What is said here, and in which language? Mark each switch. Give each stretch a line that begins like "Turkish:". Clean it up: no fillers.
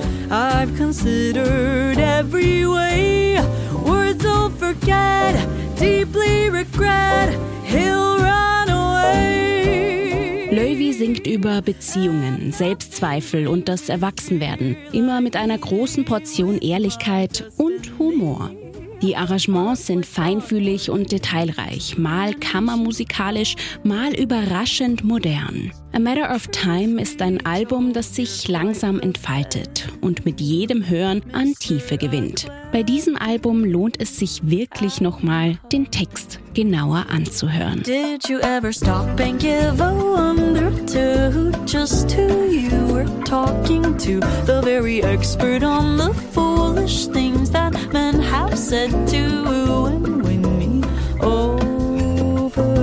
English: I've considered every way, words I'll forget, deeply regret, he'll run away.
German: Lovey singt über Beziehungen, Selbstzweifel und das Erwachsenwerden, immer mit einer großen Portion Ehrlichkeit und Humor. Die Arrangements sind feinfühlig und detailreich, mal kammermusikalisch, mal überraschend modern. A Matter of Time ist ein Album, das sich langsam entfaltet und mit jedem Hören an Tiefe gewinnt. Bei diesem Album lohnt es sich wirklich nochmal, den Text genauer anzuhören.
English: Did you ever stop and give a wonder to who just who you were talking to? The very expert on the foolish things that men have said to you and win me over.